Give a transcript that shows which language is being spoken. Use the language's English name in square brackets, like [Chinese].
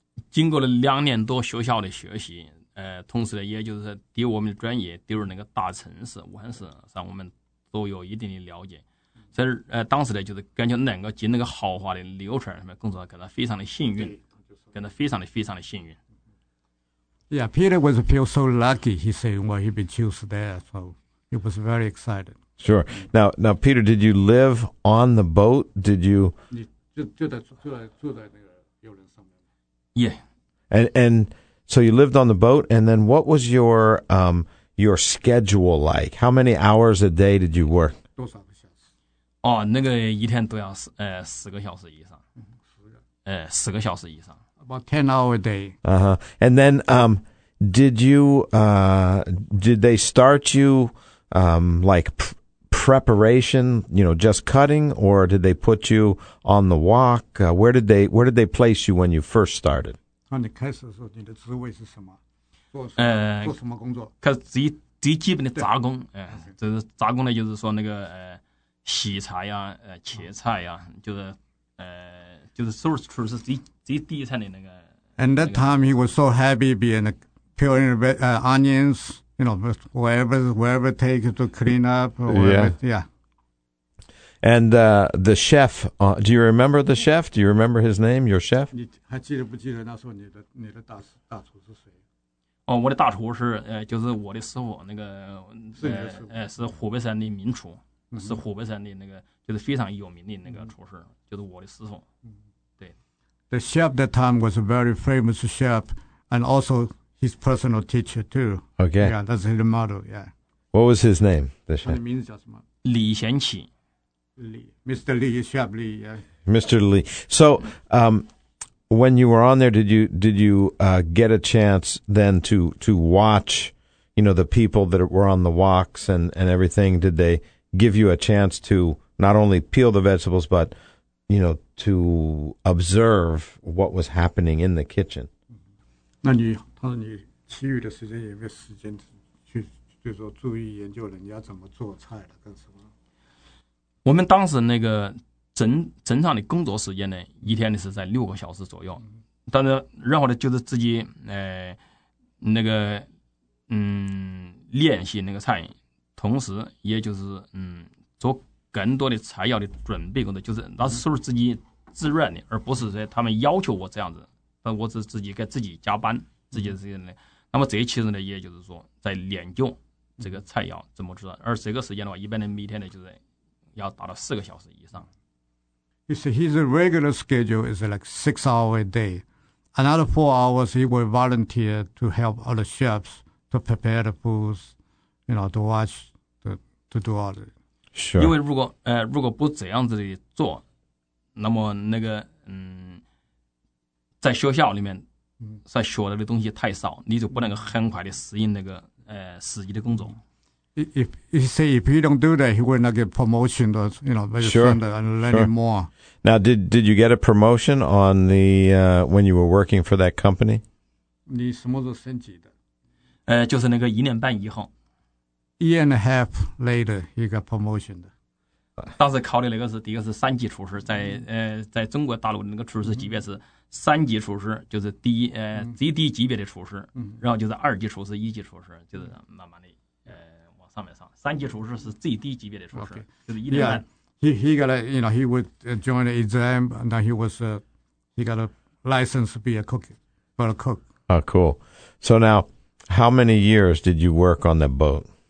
[Chinese] 经过了两年多学校的学习，同时呢，也就是对我们的专业，对于那个大城市武汉市，让我们都有一定的了解。所以，当时呢，就是感觉能够进那个豪华的流程上面工作，感到非常的幸运，感到非常的非常的幸运。 [English] Yeah, Peter was feel so lucky. He said, "Well, he been chosen there, so he was very excited." Sure. Now, Peter, did you live on the boat? Did you? [Chinese] 你就在那个游轮上面。 [English] Yeah. And so you lived on the boat, and then what was your schedule like? How many hours a day did you work? [Chinese] 多少个小时？哦，那个一天都要十个小时以上。十个小时以上。 [English] About 10 hours a day. And then did they start you like preparation, you know, just cutting, or did they put you on the walk? Where did they place you when you first started? [Chinese] 你开始的时候，你的职位是什么？做什么工作？开始最基本的杂工，就是杂工呢，就是说那个洗菜呀，切菜呀，就是 [English] source crew [Chinese] 是最底层的那个。 [English] And that time he was so happy being peeling onions. You know, wherever it takes to clean up. And the chef, do you remember the chef? Do you remember his name, your chef? [Chinese] 你还记得不记得那时候你的大厨是谁？哦，我的大厨是就是我的师傅，那个是你的师傅，是湖北省的名厨，是湖北省的那个就是非常有名的那个厨师，就是我的师傅。对。 [English] The chef that time was a very famous chef, and also. His personal teacher, too. Okay. Yeah, that's his model, yeah. What was his name? The chef? [Chinese] 他的名字叫什么? Li Xianqi. [English] Mr. Li, Chef Li, yeah. Mr. Li. So, when you were on there, did you get a chance then to watch, you know, the people that were on the walks and everything? Did they give you a chance to not only peel the vegetables, but, you know, to observe what was happening in the kitchen? [Chinese] 那你他说你其余的时间有没有时间去就说注意研究人家怎么做菜的跟什么我们当时那个正常的工作时间呢一天呢是在六个小时左右但是然后呢就是自己练习那个菜同时也就是做更多的材料的准备工作就是那是自己自愿的而不是说他们要求我这样子但我只自己给自己加班自己的时间呢，那么这一期呢，也就是说在研究这个菜肴怎么做，而这个时间的话，一般的每天呢，就是要达到四个小时以上。 [English] You see, his regular schedule is like 6 hours a day. Another 4 hours, he will volunteer to help other chefs to prepare the foods, you know, to watch, to do all the. Sure. [Chinese] 因为如果不这样子的做，那么那个在学校里面。在学的东西太少，你就不能够很快的适应那个实际的工作。 [English] If he don't do that, he will not get promotion. To, you know, very soon and learning more. Now, did you get a promotion on the when you were working for that company? [Chinese] 你什么时候升级的？就是那个一年半以后。 [English] Year and a half later, he got promotion. [Chinese] 当时考的那个是第一个是三级厨师，在在中国大陆的那个厨师级别是三级厨师，就是第一最低级别的厨师，然后就是二级厨师、一级厨师，就是慢慢的往上面上。三级厨师是最低级别的厨师， [English] okay. [Chinese] 就是一年半。 [English] Yeah, he got a, you know, he would join the exam, and then he was he got a license to be a cook, but a cook. Oh, cool. So now, how many years did you work on the boat?